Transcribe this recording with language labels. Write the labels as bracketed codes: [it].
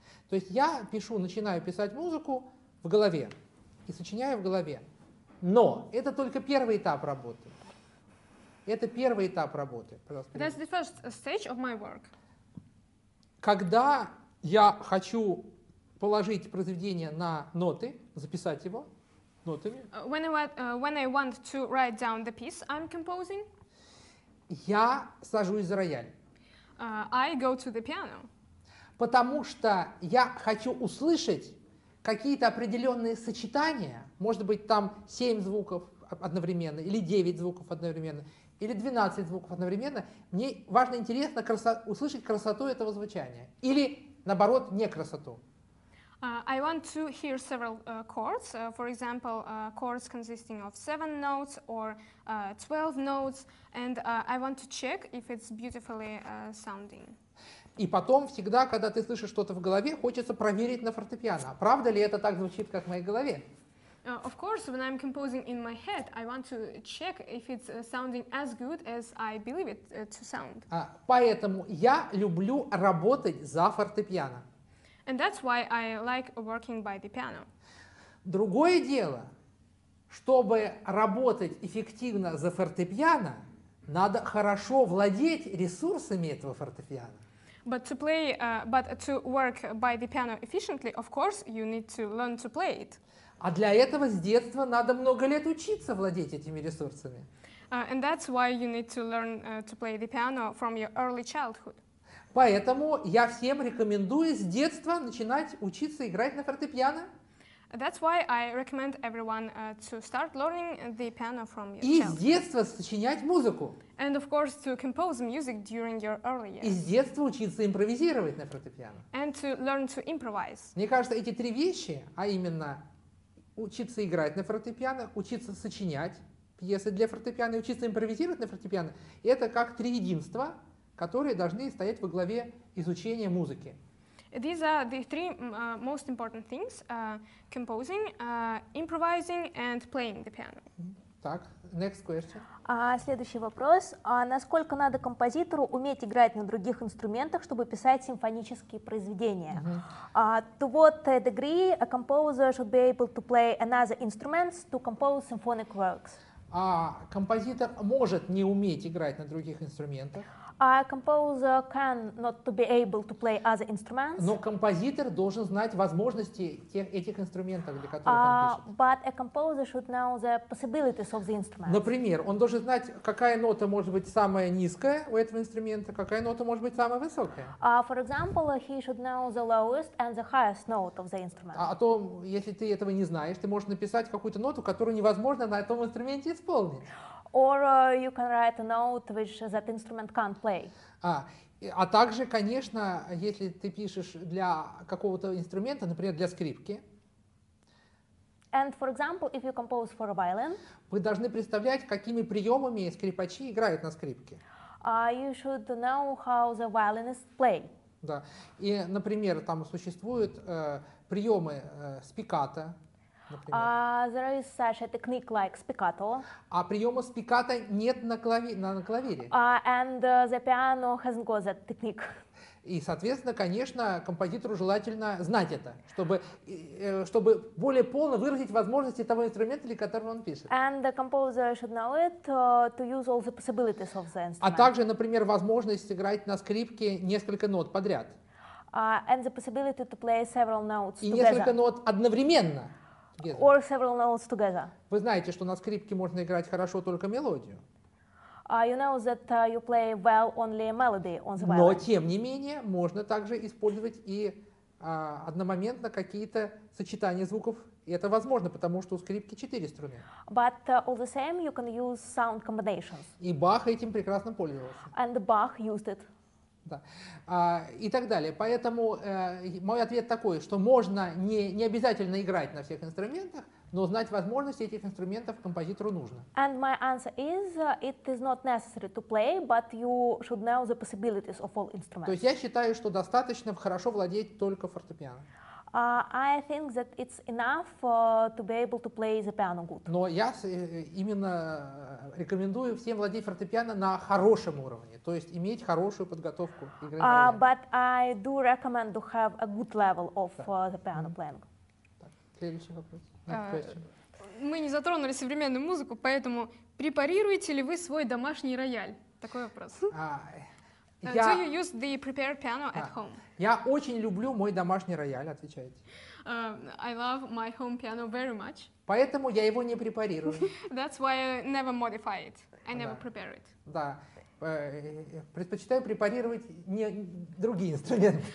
[ru] То есть я пишу, начинаю писать музыку в голове и сочиняю в голове. Но это только первый этап работы. Это первый этап работы. [en] That's the first stage of my work. [ru] Когда я хочу положить произведение на ноты, записать его нотами. [en] When I want to write down the piece I'm composing. [ru] Я сажусь за рояль. [en] I go to the piano. [ru] Потому что я хочу услышать какие-то определенные сочетания, может быть, там 7 звуков одновременно, или 9 звуков одновременно, или 12 звуков одновременно, мне важно, интересно услышать красоту этого звучания. Или, наоборот, не красоту. [en] I want to hear several chords, for example, chords consisting of 7 notes or 12 notes, and I want to check if it's beautifully sounding. [ru] И потом всегда, когда ты слышишь что-то в голове, хочется проверить на фортепиано. Правда ли это так звучит, как в моей голове? [en] Of course, when I'm composing in my head, I want to check if it's sounding as good as I believe it to sound. [ru] Поэтому я люблю работать за фортепиано. [en] And that's why I like working by the piano. [ru] Другое дело, чтобы работать эффективно за фортепиано, надо хорошо владеть ресурсами этого фортепиано. [en] But to play, but to work by the piano efficiently, of course, you need to learn to play it. [ru] А для этого с детства надо много лет учиться владеть этими ресурсами. [en] And that's why you need to learn to play the piano from your early childhood. [ru] Поэтому я всем рекомендую с детства начинать учиться играть на фортепиано. [en] That's why I recommend everyone to start learning the piano from your childhood. [ru] И с детства сочинять музыку. [en] And of course to compose music during your early years. [ru] И с детства учиться импровизировать на фортепиано. [en] And to learn to improvise. [ru] Мне кажется, эти три вещи, а именно учиться играть на фортепиано, учиться сочинять пьесы для фортепиано и учиться импровизировать на фортепиано, это как три единства, которые должны стоять во главе изучения музыки. [en] These are the three most important things: composing, improvising, and playing the piano. Так, next question. [ru] Следующий вопрос. Насколько надо композитору уметь играть на других инструментах, чтобы писать симфонические произведения? [en] To what degree a composer should be able to play another instrument to compose symphonic works? [ru] Композитор может не уметь играть на других инструментах. [en] A composer can not to be able to play other instruments. [ru] Но композитор должен знать возможности этих инструментов, для которых он пишет. [en] But a composer should know the possibilities of the instruments. [ru] Например, он должен знать, какая нота может быть самая низкая у этого инструмента, какая нота может быть самая высокая. [en] For example, he should know the lowest and the highest note of the instrument. [ru] А то, если ты этого не знаешь, ты можешь написать какую-то ноту, которую невозможно на этом инструменте исполнить. [en] Or you can write a note which that instrument can't play. [ru] А также, конечно, если ты пишешь для какого-то инструмента, например, для скрипки. [en] And for example, if you compose for a violin. [ru] Вы должны представлять, какими приемами скрипачи играют на скрипке. [en] You should know how the violinist play. [ru] Да. И, например, там существуют приемы спиката. [en] There is such a technique like spiccato. [ru] А приема спиккато нет на клавире. [en] And the piano hasn't got that technique. [ru] И, соответственно, конечно, композитору желательно знать это, чтобы более полно выразить возможности того инструмента, для которого он пишет. [en] And the composer should know it to use all the possibilities of the instrument. [ru] А также, например, возможность играть на скрипке несколько нот подряд. [en] And the possibility to play several notes [ru] и [en] together. [ru] И несколько нот одновременно. [en] Together. Or several notes together. [ru] Вы знаете, что на скрипке можно играть хорошо только мелодию. [en] You know that you play well only melody on the violin. [ru] Но тем не менее можно также использовать и одномоментно какие-то сочетания звуков. И это возможно, потому что у скрипки 4 струны. [en] But all the same, you can use sound combinations. [ru] И Бах этим прекрасно пользовался. [en] And Bach used it. [ru] Да. И так далее. Поэтому мой ответ такой, что можно не обязательно играть на всех инструментах, но знать возможности этих инструментов композитору нужно. [en] And my answer is, it is not necessary to play, but you should know the possibilities of all instruments. [ru] То есть я считаю, что достаточно хорошо владеть только фортепиано. [en] I think that it's enough to be able to play the piano good. [ru] Но я именно рекомендую всем владеть фортепиано на хорошем уровне, то есть иметь хорошую подготовку игры. [en] But I do recommend to have a good level of the piano playing. [ru] Так, следующий вопрос. Мы не затронули современную музыку, поэтому препарируете ли вы свой домашний рояль? Такой вопрос. [en] Do you use the prepared piano at home? [ru] Я очень люблю мой домашний рояль, отвечаете. [en] I love my home piano very much. [ru] Поэтому я его не препарирую. [en] That's why I never modify it. I never prepare it. [ru] Да. Предпочитаю препарировать не другие инструменты.